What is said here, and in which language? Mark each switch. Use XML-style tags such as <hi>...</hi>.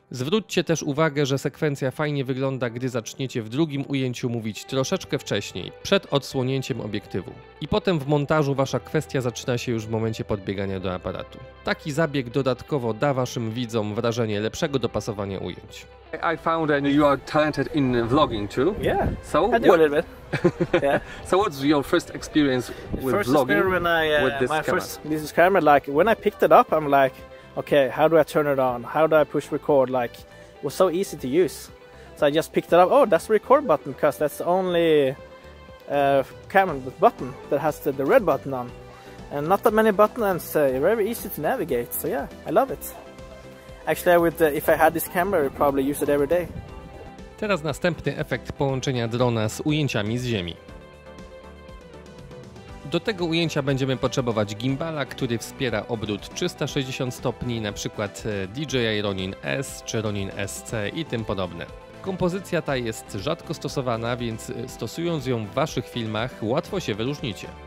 <pl>Zwróćcie też uwagę, że sekwencja fajnie wygląda, gdy zaczniecie w drugim ujęciu mówić troszeczkę wcześniej, przed odsłonięciem obiektywu. I potem w montażu wasza kwestia zaczyna się już w momencie podbiegania do aparatu. Taki zabieg dodatkowo da waszym widzom wrażenie lepszego dopasowania ujęć.</pl> <en>I found that you are talented in vlogging too. Yeah, so I do a little bit. So what's your first experience with first vlogging? First experience with this camera. Like when I picked it up, I'm like, okay, how do I turn it on? How do I push record? Like, it was so easy to use. So I just picked it up. Oh, that's the record button, because that's the only camera with button that has the red button on, and not that many buttons. And so very easy to navigate. So yeah, I love it. Actually, if I had this camera, I'd probably use it every day.</en> <pl>Teraz następny efekt połączenia drona z ujęciami z ziemi. Do tego ujęcia będziemy potrzebować gimbala, który wspiera obrót 360 stopni, na przykład DJI Ronin S czy Ronin SC i tym podobne. Kompozycja ta jest rzadko stosowana, więc stosując ją w waszych filmach, łatwo się wyróżnicie.</pl>